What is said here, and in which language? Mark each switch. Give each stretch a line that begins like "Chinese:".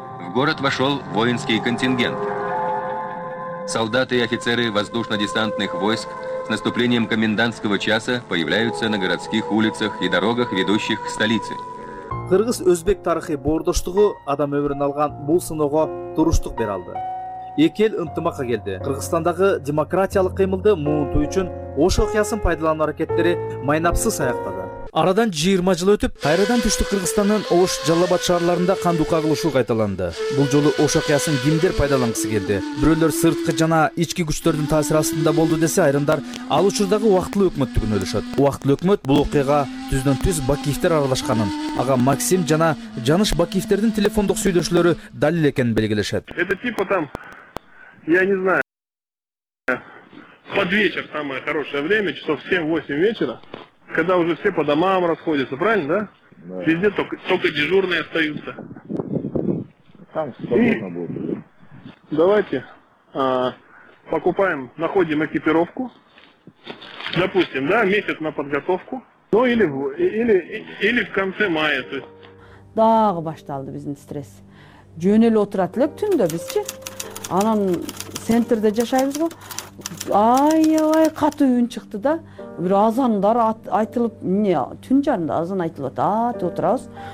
Russian: В город вошел воинский контингент. Солдаты и офицеры воздушно-десантных войск с наступлением комендантского часа появляются на городских улицах и дорогах, ведущих к столице.
Kyrgyz: Кыргыз-өзбек тарыхый боордоштугу адам өмүрүн алган бул сыноого туруштук бере алды. Эки эл ынтымакка келди. Кыргызстандагы демократиялык кыймылды муунтуу үчүн Ош окуясын пайдалануу аракеттери майнапсыз аяктады. Арадан 20 жыл өтүп, кайрадан түштүк Кыргызстандын Ош, Жалал-Абад шаарларында кандуу кагылышуу кайталанды. Бул жолу Ош окуясын кимдер пайдалангысы келди? Бирөөлөр сырткы жана ички күчтөрдүн таасири астында болду десе, айрымдар ал учурдагы убактылуу өкмөттү күнөөлөшөт. Убактылуу өкмөт бул окуяга түздөн-түз Бакиевдер аралашканын, ага Максим жана Жаныш Бакиевдердин телефондук сүйлөшүүлөрү далил экенин белгилешет.
Russian: Это типа там, я не знаю, под вечер самое хорошее время, часов 7-8 вечера. Когда уже все по домам расходятся, правильно, да? Да. Везде только дежурные остаются. Там свободно будет. Давайте покупаем, находим экипировку. Допустим, да, месяц на подготовку. Ну или в конце мая. То есть.
Kyrgyz: Дагы башталды биздин стресс. Жөн эле отурат элек түндө бизчи. Анан центрде жашайбыз го. Аябай катуу үн чыкты да. Бир азандар айтылып, эмне түн жарында азан айтылып атат, отурабыз.